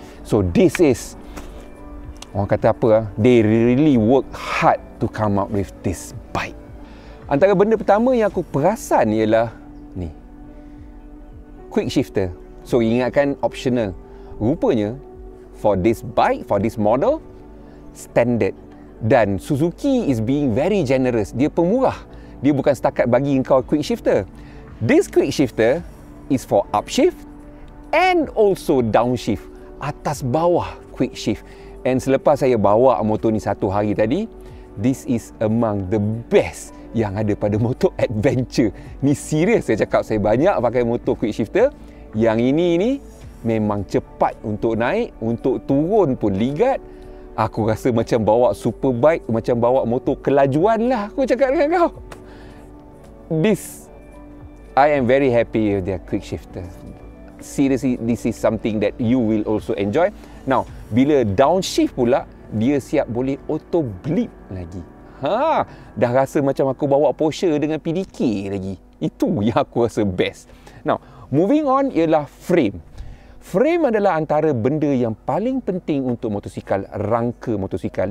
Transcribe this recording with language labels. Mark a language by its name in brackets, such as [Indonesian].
[English] So this is, [Malay] orang kata apa, [English] they really work hard to come up with this bike. [Malay] Antara benda pertama yang aku perasan ialah ni, quick shifter. So ingatkan optional. Rupanya [English] for this bike, for this model, standard. [Malay] Dan Suzuki [English] is being very generous. [Malay] Dia pemurah. Dia bukan setakat bagi engkau quick shifter. [English] This quick shifter is for upshift and also downshift. [Malay] Atas bawah quick shift. [English] And [Malay] selepas saya bawa motor ni satu hari tadi, [English] this is among the best [Malay] yang ada pada motor adventure. Ni serius saya cakap, saya banyak pakai motor quick shifter. Yang ini ni memang cepat untuk naik, untuk turun pun ligat. Aku rasa macam bawa superbike, macam bawa motor kelajuan lah aku cakap dengan kau. [English] This, I am very happy with their quick shifter. Seriously, this is something that you will also enjoy. [Malay] Now, bila downshift pula, dia siap boleh auto bleep lagi. Ha, dah rasa macam aku bawa Porsche dengan PDK lagi. Itu yang aku rasa best. [English] Now, moving on [Malay] ialah [English] frame. [Malay] Frame adalah antara benda yang paling penting untuk motosikal, rangka motosikal.